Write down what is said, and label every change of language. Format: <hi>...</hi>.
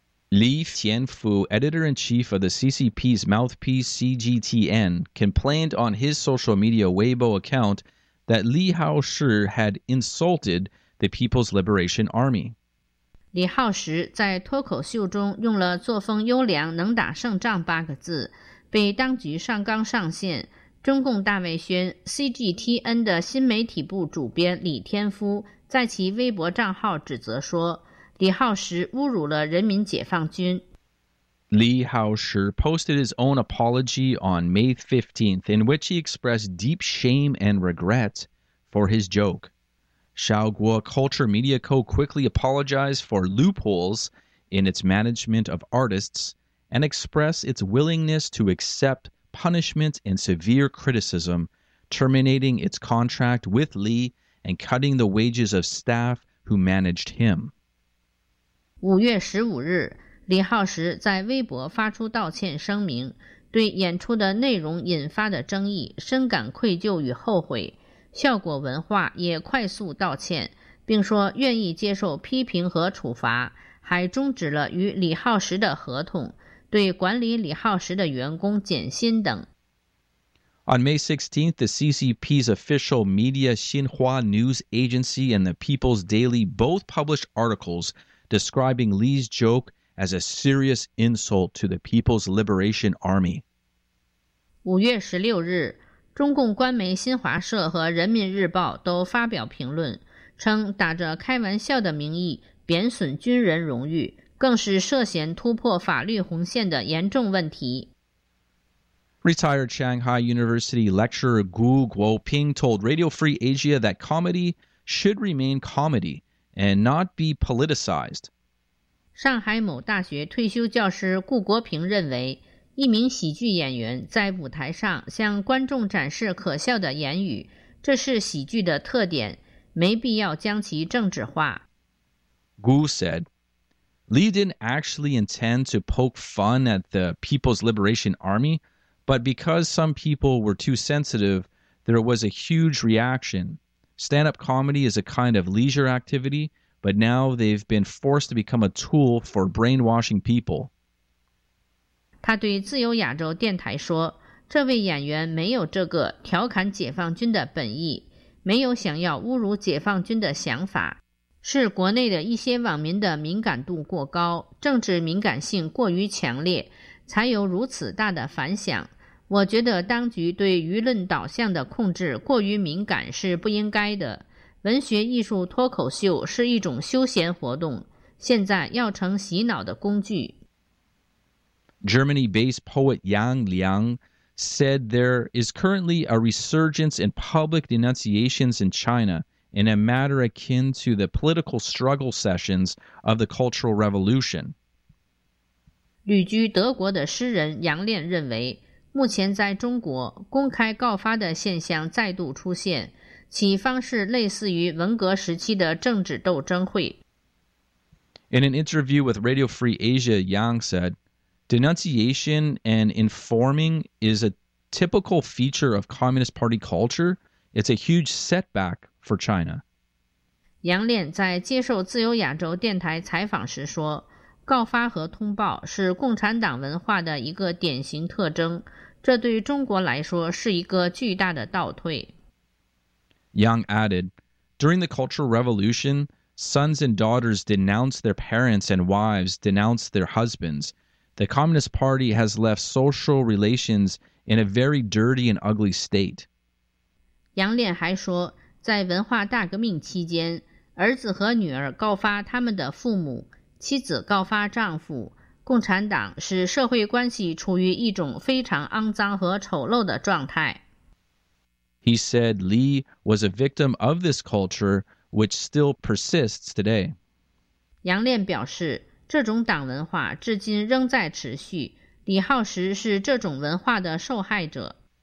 <en>Li Tianfu, editor-in-chief of the CCP's mouthpiece CGTN, complained on his social media Weibo account that Li Haoshi had insulted the People's Liberation Army.</en> <zh>Li Haoshi 在脱口秀中用了作风优良、能打胜仗八个字，被当局上纲上线。中共大外宣 CGTN 的新媒体部主编李天夫在其微博账号指责说，李浩石侮辱了人民解放军。</zh> <en>Li Haoshi posted his own apology on May 15th, in which he expressed deep shame and regret for his joke. Xiaoguo Culture Media Co. quickly apologized for loopholes in its management of artists and expressed its willingness to accept punishment and severe criticism, terminating its contract with Li and cutting the wages of staff who managed him.</en> <zh>5月15日，李浩石在微博发出道歉声明，对演出的内容引发的争议深感愧疚与后悔。效果文化也快速道歉，并说愿意接受批评和处罚，还终止了与李浩石的合同，对管理李浩石的员工减薪等。</zh> <en>On May 16th, the CCP's official media Xinhua News Agency and the People's Daily both published articles describing Li's joke as a serious insult to the People's Liberation Army.</en> <zh>5月16日，中共官媒新华社和人民日报都发表评论，称打着开玩笑的名义贬损军人荣誉，更是涉嫌突破法律红线的严重问题。</zh> <en>Retired Shanghai University lecturer Gu Guoping told Radio Free Asia that comedy should remain comedy and not be politicized.</en> <zh>上海某大学退休教师顾国平认为，一名喜剧演员在舞台上向观众展示可笑的言语，这是喜剧的特点，没必要将其政治化。</zh> <en>Gu said, Li didn't actually intend to poke fun at the People's Liberation Army, but because some people were too sensitive, there was a huge reaction. Stand-up comedy is a kind of leisure activity, but now they've been forced to become a tool for brainwashing people.</en> <zh>他对自由亚洲电台说，这位演员没有这个调侃解放军的本意，没有想要侮辱解放军的想法。是国内的一些网民的敏感度过高，政治敏感性过于强烈，才有如此大的反响。我觉得当局对舆论导向的控制过于敏感是不应该的。文学艺术脱口秀是一种休闲活动，现在要成洗脑的工具。</zh> <en>Germany-based poet Yang Liang said there is currently a resurgence in public denunciations in China in a matter akin to the political struggle sessions of the Cultural Revolution.</en> <zh>旅居德国的诗人杨炼认为，目前在中国公开告发的现象再度出现，其方式类似于文革时期的政治斗争会。</zh> <en>In an interview with Radio Free Asia, Yang said,Denunciation and informing is a typical feature of Communist Party culture. It's a huge setback for China.</en> <zh>杨炼在接受自由亚洲电台采访时说，告发和通报是共产党文化的一个典型特征，这对中国来说是一个巨大的倒退。</zh> <en>Yang added, during the Cultural Revolution, sons and daughters denounced their parents and wives denounced their husbands. The Communist Party has left social relations in a very dirty and ugly state.</en> <zh>杨炼还说，在文化大革命期间，儿子和女儿告发他们的父母，妻子告发丈夫。共产党使社会关系处于一种非常肮脏和丑陋的状态。</zh> <en>He said Li was a victim of this culture, which still persists today.</en> <zh>杨炼表示，这种党文化至今仍在持续，李浩石是这种文化的受害者。</zh>